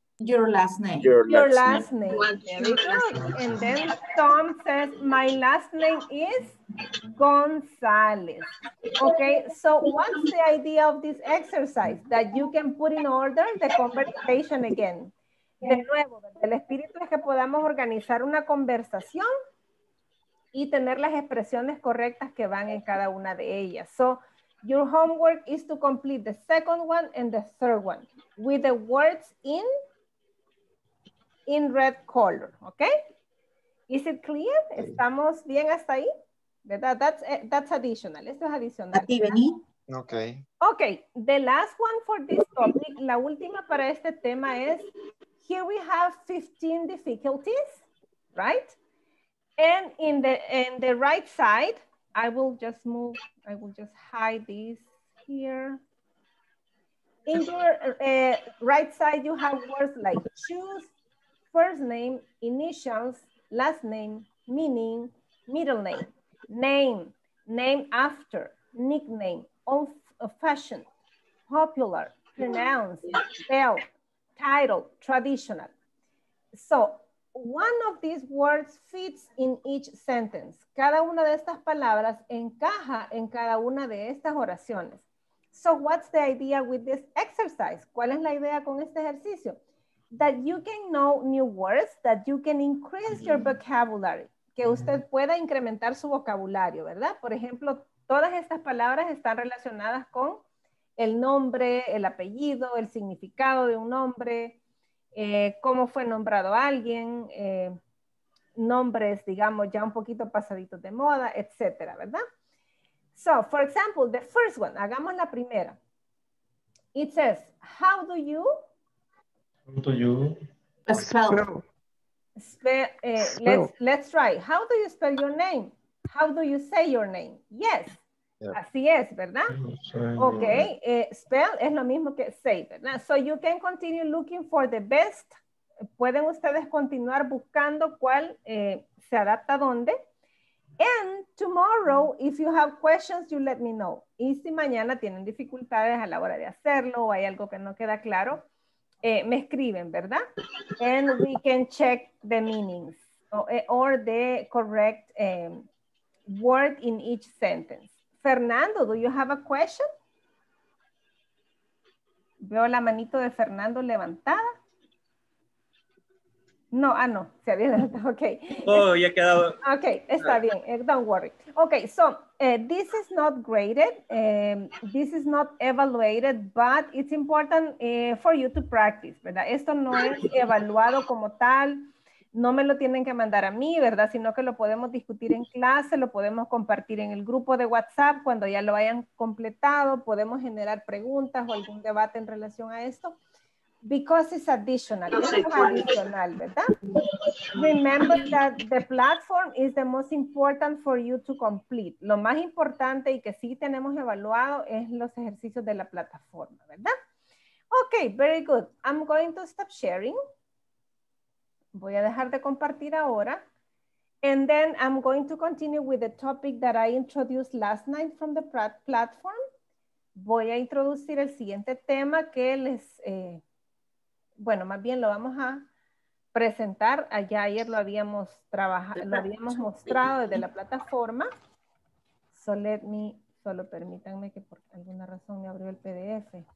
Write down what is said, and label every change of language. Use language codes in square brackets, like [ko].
[en] your last name? Your last name. And then Tom says, my last name is Gonzalez. Okay, so what's the idea of this exercise? That you can put in order the conversation again. [es] De nuevo, el espíritu es que podamos organizar una conversación y tener las expresiones correctas que van en cada una de ellas. [en] So, your homework is to complete the second one and the third one with the words in red color, okay? Is it clear? [es] ¿Estamos bien hasta ahí? ¿Verdad? [en] That's additional. [es] Esto es adicional. ¿A ti, Beni? [en] Okay. Okay, the last one for this topic, [es] la última para este tema es, [en] here we have 15 difficulties, right? And in the right side, I will just hide this here. In your right side, you have words like choose first name, initials, last name, meaning, middle name, name after, nickname, old-fashioned, popular, pronounced, spelled, title, traditional. So one of these words fits in each sentence. [es] Cada una de estas palabras encaja en cada una de estas oraciones. [en] So what's the idea with this exercise? [es] ¿Cuál es la idea con este ejercicio? [en] That you can know new words, that you can increase your vocabulary. [es] Que usted pueda incrementar su vocabulario, ¿verdad? Por ejemplo, todas estas palabras están relacionadas con el nombre, el apellido, el significado de un nombre, cómo fue nombrado alguien, nombres, digamos, ya un poquito pasaditos de moda, etcétera, ¿verdad? [en] So, for example, the first one, [es] hagamos la primera. [en] It says, how do you? How do you? Spell. Let's try. How do you spell your name? How do you say your name? Yes. Yeah. [es] Así es, ¿verdad? Ok, spell es lo mismo que say, ¿verdad? [en] So you can continue looking for the best. [es] Pueden ustedes continuar buscando cuál se adapta a dónde. [en] And tomorrow, if you have questions, you let me know. [es] Y si mañana tienen dificultades a la hora de hacerlo o hay algo que no queda claro, me escriben, ¿verdad? [en] And we can check the meanings or the correct word in each sentence. Fernando, do you have a question? [es] Veo la manito de Fernando levantada. No, no, se había levantado, ok. Oh, ya quedado. Ok, está bien, [en] don't worry. Ok, so, this is not graded, this is not evaluated, but it's important for you to practice, ¿verdad? [es] Esto no es evaluado como tal. No me lo tienen que mandar a mí, ¿verdad? Sino que lo podemos discutir en clase, lo podemos compartir en el grupo de WhatsApp cuando ya lo hayan completado, podemos generar preguntas o algún debate en relación a esto. [en] Because it's additional. [es] Es adicional, ¿verdad? [en] Remember that the platform is the most important for you to complete. [es] Lo más importante y que sí tenemos evaluado es los ejercicios de la plataforma, ¿verdad? [en] Ok, very good. I'm going to stop sharing. [es] Voy a dejar de compartir ahora. [en] And then I'm going to continue with the topic that I introduced last night from the platform. [es] voy a introducir el siguiente tema que les, bueno, más bien lo vamos a presentar. Allá ayer lo habíamos trabajado, lo habíamos mostrado desde la plataforma. [en] So let me, [es] solo permítanme que por alguna razón me abrió el PDF.